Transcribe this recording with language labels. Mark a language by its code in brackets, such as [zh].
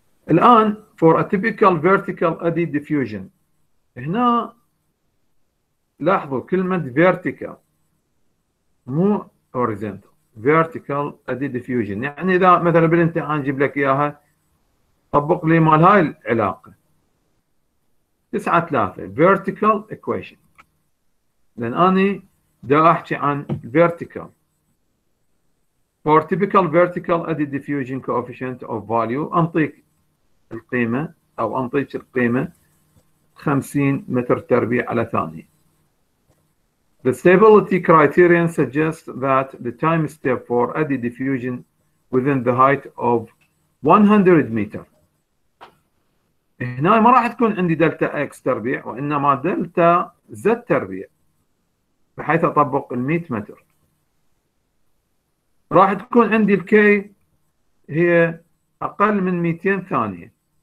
[ar] الآن [en] for a typical vertical eddy diffusion، [ar] هنا لاحظوا كلمة vertical مو horizontal، vertical eddy diffusion يعني إذا مثلا بالامتحان جيب لك إياها طبق لي مال هاي العلاقة 9.3 vertical equation، لأن أنا دا أحكي عن vertical. [en] For typical vertical eddy diffusion coefficient of value [ar] أنطيك القيمة أو أنطيك القيمة 50 متر تربيع على ثانية. [en] The stability criterion suggests that the time step for eddy diffusion within the height of 100 meter. [ar] هنا ما راح تكون عندي دلتا X تربيع وإنما دلتا Z تربيع بحيث أطبق ال 100 متر. راح تكون عندي ال K هي أقل من 200 ثانية.